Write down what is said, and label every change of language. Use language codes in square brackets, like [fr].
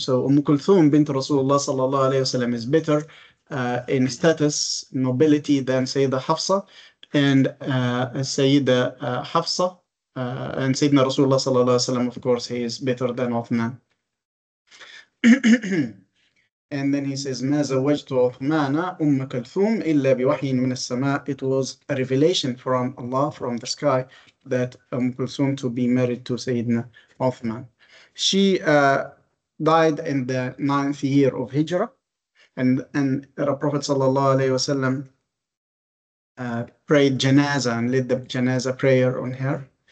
[en] So Umm Kulthum bint Rasulullah sallallahu alayhi wasallam is better in status, nobility than Sayyidina Hafsa. And Sayyidina Hafsa and Sayyidina Rasulullah sallallahu alayhi wasallam, of course, he is better than Uthman. And then he says, [ar] ما زوجت عثمان أم كلثوم إلا بوحي من السماء. [en] It was a revelation from Allah, from the sky, that أم كلثوم to be married to Sayyidina Uthman. She died in the ninth year of Hijra. And the Prophet صلى الله عليه وسلم prayed janazah and led the janazah prayer on her.